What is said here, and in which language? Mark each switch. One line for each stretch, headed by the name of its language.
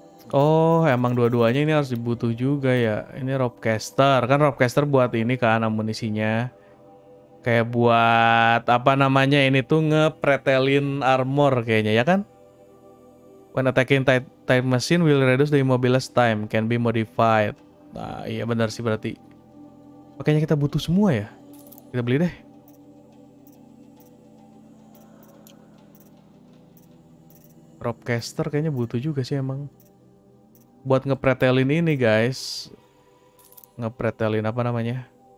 Indonesian: Oh, emang dua-duanya ini harus dibutuh juga ya. Ini ropecaster, kan ropecaster buat ini kan amunisinya. Kayak buat, apa namanya, ini tuh ngepretelin armor kayaknya ya kan.
English: When attacking time machine will reduce the immobilized time, can be modified.
Indonesian: Nah iya benar sih berarti. Makanya kita butuh semua ya. Kita beli deh. Ropecaster kayaknya butuh juga sih emang. Buat ngepretelin ini guys. Ngepretelin apa namanya?